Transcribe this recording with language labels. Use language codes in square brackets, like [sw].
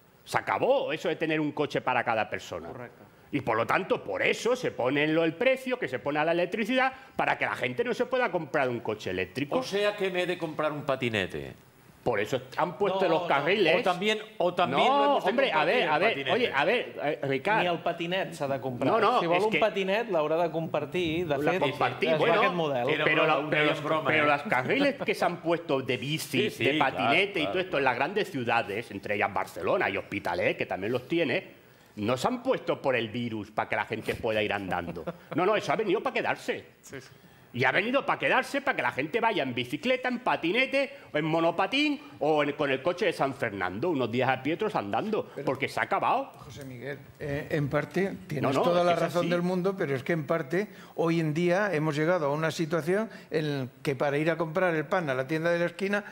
[es] Se acabó eso de tener un coche para cada persona. Correcto. Y por lo tanto, por eso se pone en el precio que se pone a la electricidad para que la gente no se pueda comprar un coche eléctrico. O sea que me he de comprar un patinete. Por eso han puesto los carriles. O también no, hombre, a ver, Ricard. [ca] Ni el patinet s'ha de comprar. No, si vol un patinet, l'haurà de compartir. De fet, compartir, és bueno, aquest model. Però els carriles que s'han puesto de bici, sí, de patinete clar. I tot això, en les grans ciutats, entre elles Barcelona i Hospitalet, que també els tiene, no s'han puesto [es] por el virus para que la gente pueda ir andando. No, no, eso ha venido para quedarse. Sí, sí. Y ha venido para quedarse, para que la gente vaya en bicicleta, en patinete, en monopatín o con el coche de San Fernando, unos días a pie, otros andando, pero, porque se ha acabado. José Miguel, en parte tienes toda la razón del mundo, pero es que en parte hoy en día hemos llegado a una situación en que para ir a comprar el pan a la tienda de la esquina,